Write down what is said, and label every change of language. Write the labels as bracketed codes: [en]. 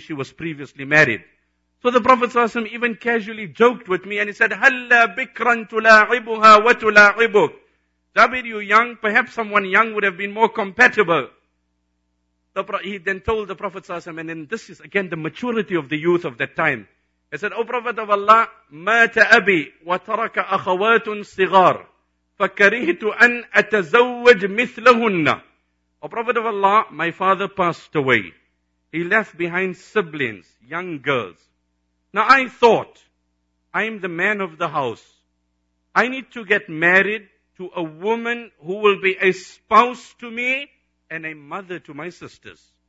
[en] She was previously married. So the Prophet sallallahu alayhi wa sallam even casually joked with me and he said, [ar] Halla bikran tula'ibuha wa tula'ibuk. [en] Jabir, you young. Perhaps someone young would have been more compatible. He then told the Prophet sallallahu alayhi wa sallam, and then this is again the maturity of the youth of that time. He said, O Prophet of Allah, [ar] مات أبي وترك أخوات صغار فكرهت أن أتزوج مثلهن. [en] O Prophet of Allah, my father passed away. He left behind siblings, young girls. Now I thought, I am the man of the house. I need to get married to a woman who will be a spouse to me and a mother to my sisters.